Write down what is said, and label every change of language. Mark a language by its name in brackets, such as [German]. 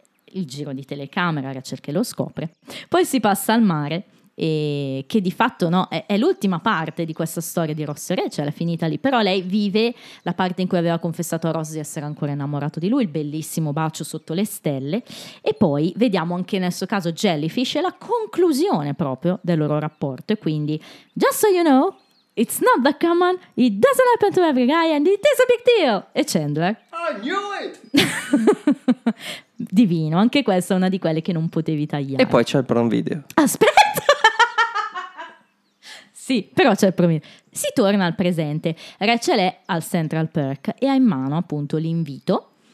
[Italian] Il giro di telecamera, Rachel che lo scopre. Poi si passa al mare e che di fatto no, è l'ultima parte di questa storia di Ross e Rachel, è finita lì. Però lei vive la parte in cui aveva confessato a Ross di essere ancora innamorato di lui, il bellissimo bacio sotto le stelle. E poi vediamo anche nel suo caso Jellyfish e la conclusione proprio del loro rapporto. E quindi, [English] just so you know, it's not that common, it doesn't happen to every guy and it is a big deal. [Italian] E Chandler, [English] I knew it. [Italian] Divino, anche questa è una di quelle che non potevi tagliare. E poi c'è il prom video. Aspetta. Sì, però c'è il problema. Si torna al presente. Rachel è al Central Perk e ha in mano appunto l'invito.